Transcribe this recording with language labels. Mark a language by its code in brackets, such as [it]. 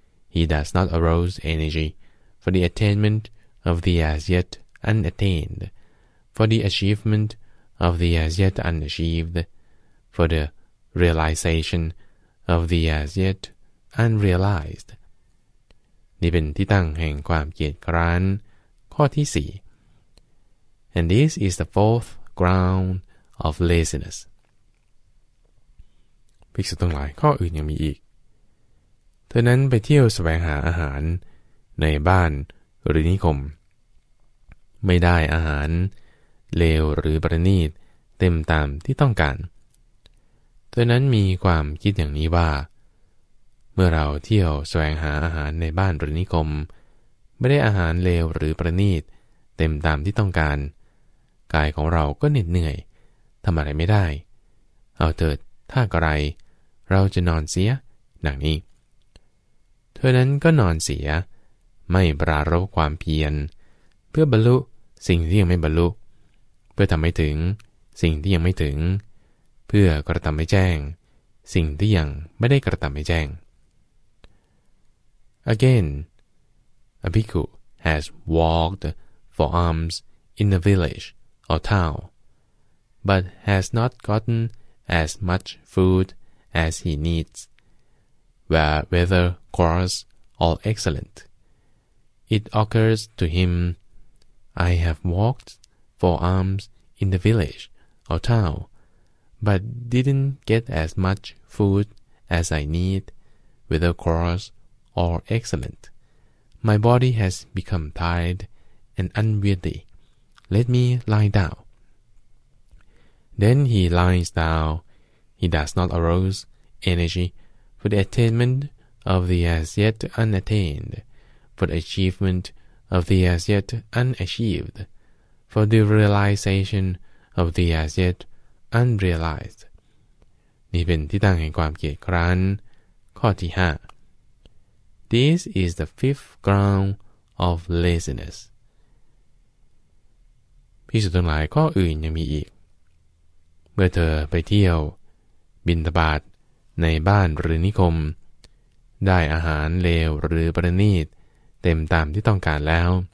[en] He does not arouse energy for the attainment of the as yet unattained, for the achievement of the as yet unachieved, for the realization of the as yet unrealized. [th] นี่เป็นที่ตั้งแห่งความเกียจคร้านข้อที่4 [en] And this is the fourth ground of laziness. [th] ภิกษุทั้งหลายข้ออื่นยังมีอีกเธอนั้นไปเที่ยวแสวงหาอาหารในบ้านหรือนิคมไม่ได้อาหารเลวหรือประณีตเต็มตามที่ต้องการ ตัวนั้นมีความคิดอย่างนี้ว่าเมื่อเราเที่ยวแสวงหาอาหารในบ้านหรือนิคมไม่ได้อาหารเลวหรือประณีตเต็มตามที่ต้องการกายของเราก็เหน็ดเหนื่อยทำอะไรไม่ได้เอาเถิดถ้าไรเราจะนอนเสียดังนี้ ตัวนั้นก็นอนเสียไม่ปรารภความเพียรเพื่อบรรลุสิ่งที่ยังไม่บรรลุเพื่อทำให้ถึงสิ่งที่ยังไม่ถึงเพื่อกระทำให้แจ้งสิ่งที่ยังไม่ได้กระทำให้แจ้ง [en] Again, a bhikkhu has walked for alms in the village or town, but has not gotten as much food as he needs, whether coarse or excellent. It occurs to him, I have walked for alms in the village or town, but didn't get as much food as I need, whether coarse or excellent. My body has become tired and unwieldy. Let me lie down. Then he lies down. He does not arouse energy for the attainment of the as yet unattained. For the achievement of the as yet unachieved, for the realization of the as yet unrealized. [th] นี่เป็นที่ตั้งแห่งความเกียจคร้านข้อที่5 [en] This is the fifth ground of laziness. [th] ภิกษุทั้งหลายข้ออื่นยังมีอีกเมื่อเธอไปเที่ยวบิณฑบาตในบ้านหรือนิคมได้อาหารเลวหรือประณีตเต็มตามที่ต้องการแล้ว